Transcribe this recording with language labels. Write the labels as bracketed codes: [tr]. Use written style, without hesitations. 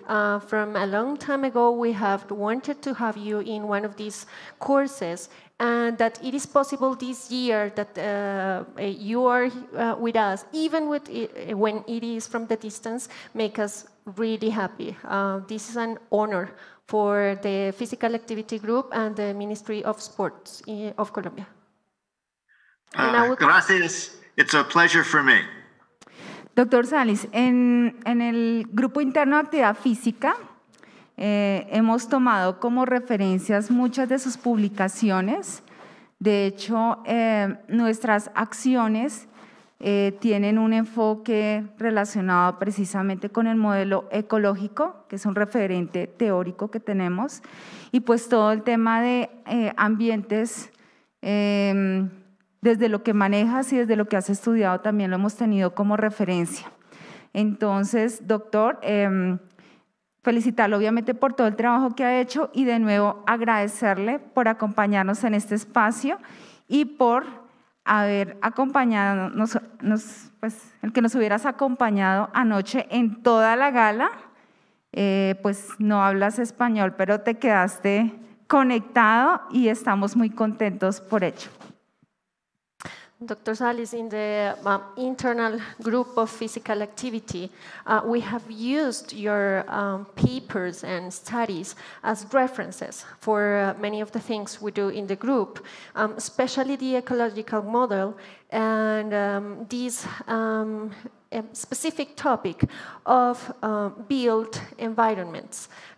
[en] From a long time ago, we have wanted to have you in one of these courses, and that it is possible this year that you are with us, even when it is from the distance, make us really happy. This is an honor for the Physical Activity Group and the Ministry of Sports of Colombia. And I would. [es] Gracias. [en] It's a pleasure for me. [es] Doctor Salis, en el Grupo Interno de Actividad Física hemos tomado como referencias muchas de sus publicaciones. De hecho, nuestras acciones tienen un enfoque relacionado precisamente con el modelo ecológico, que es un referente teórico que tenemos, y pues todo el tema de ambientes, desde lo que manejas y desde lo que has estudiado también lo hemos tenido como referencia. Entonces, doctor, felicitarlo obviamente por todo el trabajo que ha hecho y de nuevo agradecerle por acompañarnos en este espacio y por haber acompañado, pues el que nos hubieras acompañado anoche en toda la gala. Pues no hablas español, pero te quedaste conectado y estamos muy contentos por ello. [en] Dr. Salis, in the internal group of physical activity, we have used your papers and studies as references for many of the things we do in the group, especially the ecological model and this specific topic of built environments.